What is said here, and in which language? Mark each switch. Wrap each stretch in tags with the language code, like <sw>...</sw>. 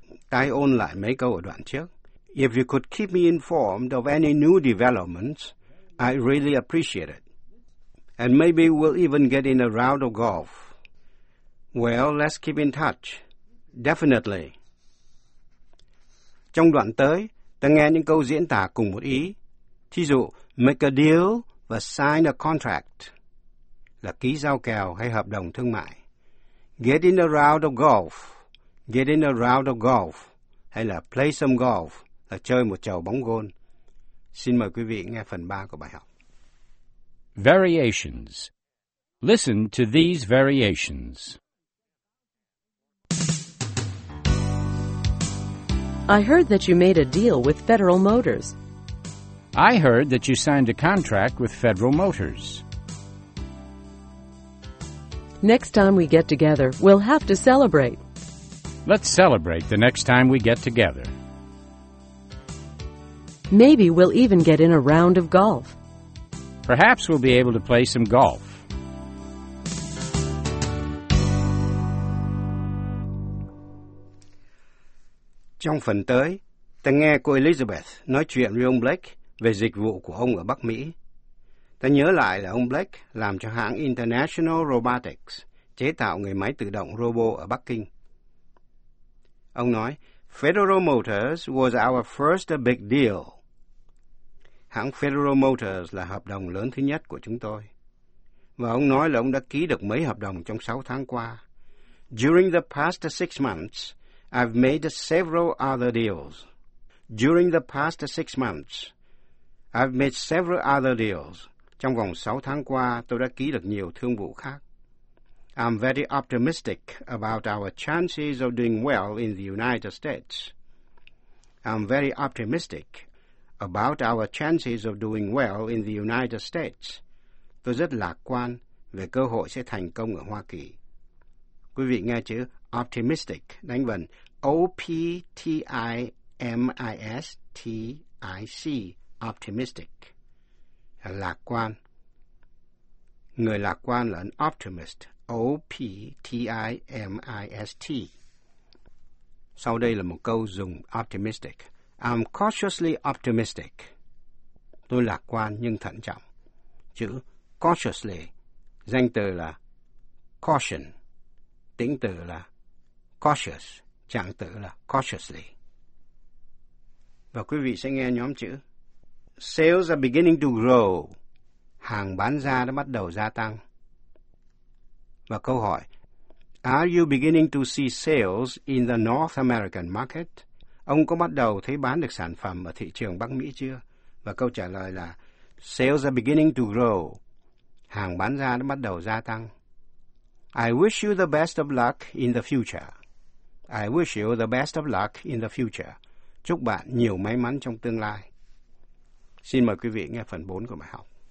<vi>Tái ôn lại mấy câu ở đoạn trước.</vi> <en>If you could keep me informed of any new developments, I really appreciate it. And maybe we'll even get in a round of golf. Well, let's keep in touch. Definitely.</en> <vi>Trong đoạn tới, ta nghe những câu diễn tả cùng một ý. Thí dụ,</vi> <en>make a deal</en> <vi>và</vi> <en>sign a contract</en> <vi>là ký giao kèo hay hợp đồng thương mại.</vi> <en>Get in a round of golf. Get in a round of golf.</en> <vi>Hay là</vi> <en>play some golf</en> <vi>là chơi một chầu bóng gôn. Xin mời quý vị nghe phần 3 của bài học.</vi> <en>Variations. Listen to these variations. I heard that you made a deal with Federal Motors. I heard that you signed a contract with Federal Motors. Next time we get together, we'll have to celebrate. Let's celebrate the next time we get together. Maybe we'll even get in a round of golf. Perhaps we'll be able to play some golf.</en> <vi>Trong phần tới, ta nghe cô Elizabeth nói chuyện với ông Blake về dịch vụ của ông ở Bắc Mỹ. Ta nhớ lại là ông Blake làm cho hãng International Robotics, chế tạo người máy tự động Robo ở Bắc Kinh. Ông nói,</vi> <en>Federal Motors was our first big deal.</en> <vi>Hãng Federal Motors là hợp đồng lớn thứ nhất của chúng tôi. Và ông nói là ông đã ký được mấy hợp đồng trong 6 tháng qua.</vi> <en>During the past 6 months, I've made several other deals. During the past 6 months, I've made several other deals.</en> <vi>Trong vòng 6 tháng qua, tôi đã ký được nhiều thương vụ khác.</vi> <en>I'm very optimistic about our chances of doing well in the United States. I'm very optimistic about our chances of doing well in the United States.</en> <vi>Tôi rất lạc quan về cơ hội sẽ thành công ở Hoa Kỳ. Quý vị nghe chữ optimistic đánh vần O-P-T-I-M-I-S-T-I-C, optimistic, lạc quan. Người lạc quan là an optimist, O-P-T-I-M-I-S-T. Sau đây là một câu dùng optimistic.</vi> <en>I'm cautiously optimistic.</en> <vi>Tôi lạc quan nhưng thận trọng. Chữ cautiously, danh từ là caution, tính từ là cautious, trạng từ là cautiously. Và quý vị sẽ nghe nhóm chữ.</vi> <en>Sales are beginning to grow.</en> <vi>Hàng bán ra đã bắt đầu gia tăng. Và câu hỏi.</vi> <en>Are you beginning to see sales in the North American market?</en> <vi>Ông có bắt đầu thấy bán được sản phẩm ở thị trường Bắc Mỹ chưa? Và câu trả lời là.</vi> <en>Sales are beginning to grow.</en> <vi>Hàng bán ra đã bắt đầu gia tăng.</vi> <en>I wish you the best of luck in the future. I wish you the best of luck in the future.</en> <vi>Chúc bạn nhiều may mắn trong tương lai. Xin mời quý vị nghe phần 4 của bài học.</vi>